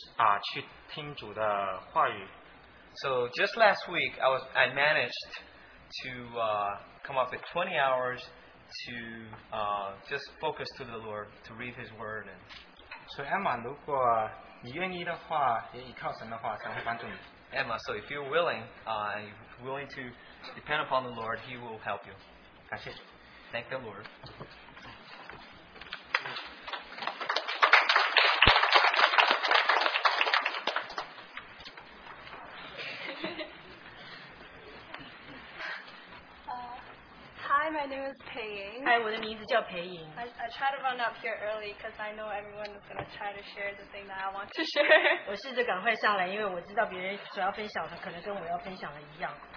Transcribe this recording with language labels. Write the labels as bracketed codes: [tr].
[zh] 结果在上周，我整整腾出了20个小时以上去听主的话语。So [en] just last week, I managed to come up with 20 hours to just focus to the Lord to read His Word. [zh] 所以 Emma, 如果你愿意的话，也依靠神的话，神会帮助你。 [en] Emma, so if you're willing, willing to depend upon the Lord, He will help you. [zh] 感谢。 [en] Thank the Lord. Hi, my name is Pei Ying. [zh] Hi, 我的名字叫 Pei Ying. [en] I try to run up here early because I know everyone is going to try to share the thing that I want to share. [zh] 我试着赶快上来，因为我知道别人所要分享的可能跟我要分享的一样。